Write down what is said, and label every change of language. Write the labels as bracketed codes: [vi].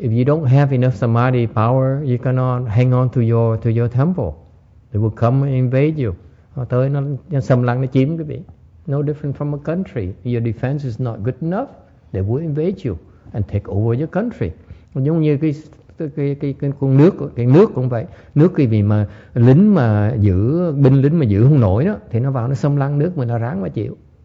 [en] If you don't have enough samadhi power, you cannot hang on to your temple. They will come and invade you. [vi] Họ tới nó xâm lăng, nó chiếm quý vị. [en] No different from a country. Your defense is not good enough. They will invade you and take over your country. [vi] Giống như cái nước cũng vậy. Nước quý vị mà lính mà giữ, binh lính mà giữ không nổi đó, thì nó vào nó xâm lăng nước mình, nó ráng mà chịu.